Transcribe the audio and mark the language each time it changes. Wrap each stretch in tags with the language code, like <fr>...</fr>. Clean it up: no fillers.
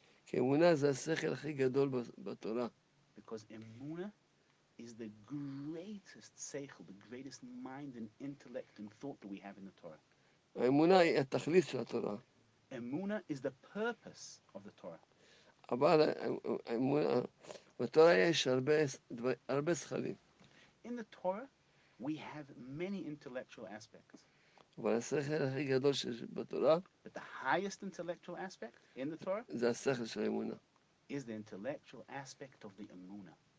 <en>Because Emuna is the greatest seichel, the greatest mind and intellect and thought that we have in the Torah. Emuna is the</en> <he>תכלית של התורה.</he> <en>Emuna is the purpose of the Torah.</en> <he>אבל אמונה, בתורה יש הרבה שכלים.</he> <en>In the Torah, we have many intellectual aspects.</en> <he>אבל השכל הכי גדול בתורה,</he> <en>but the highest intellectual aspect in the Torah,</en> <he>זה השכל של אמונה,</he> <en>is the intellectual aspect of the Emuna.</en>